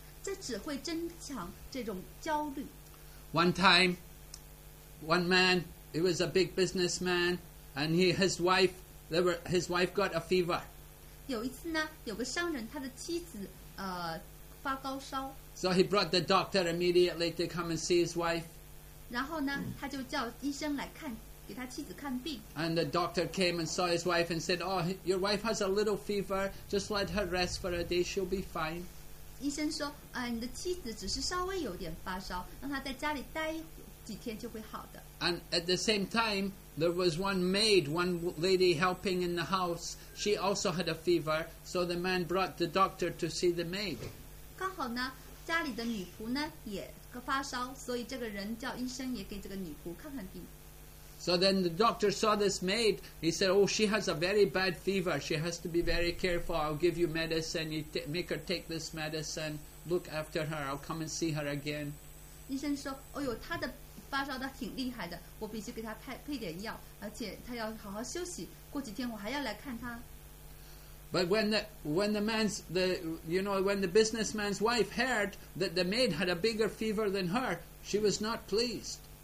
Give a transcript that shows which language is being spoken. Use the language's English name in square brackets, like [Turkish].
[Chinese] 这只会增强这种焦虑。 [English] One time. One man, he was a big businessman, and his wife got a fever. [Chinese] 有一次呢，有个商人，他的妻子发高烧。 [English] So he brought the doctor immediately to come and see his wife. [Chinese] 然后呢，他就叫医生来看，给他妻子看病。 [English] And the doctor came and saw his wife and said, "Oh, your wife has a little fever. Just let her rest for a day; she'll be fine." [Chinese] 医生说，你的妻子只是稍微有点发烧，让她在家里待。 [English] And at the same time, there was one lady helping in the house. She also had a fever, so the man brought the doctor to see the maid. [Chinese] 刚好呢，家里的女仆呢也发烧，所以这个人叫医生也给这个女仆看看病。 [English] So then the doctor saw this maid. He said, oh, she has a very bad fever. She has to be very careful. I'll give you medicine. You make her take this medicine. Look after her. I'll come and see her again. [Chinese] 医生说，哦哟，她的发烧的挺厉害的，我必须给她配点药，而且她要好好休息，过几天我还要来看她。 [English] But when the businessman's wife heard that the maid had a bigger fever than her, she was not pleased.